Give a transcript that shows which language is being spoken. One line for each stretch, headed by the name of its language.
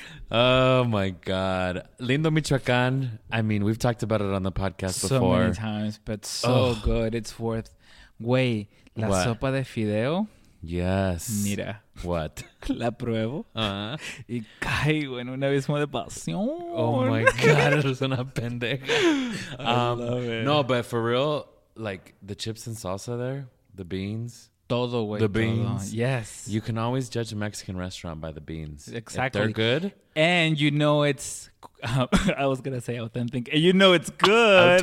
English: Oh my God. Lindo Michoacán. I mean, we've talked about it on the podcast so before. So many times, but so good. It's worth. Wait,
Spanish: la sopa de fideo?
English: Yes.
Spanish: Mira.
English: What?
Spanish: La pruebo. Uh-huh. Y caigo en un abismo de pasión.
English: Oh my God,
Spanish: eres una pendeja.
English: I love it. No, but for real, like the chips and salsa there, the beans.
Spanish: Todo, güey.
English: The beans.
Spanish: Todo. Yes.
English: You can always judge a Mexican restaurant by the beans. Exactly. If they're good. And you know it's, I was going to say authentic. And you know it's good.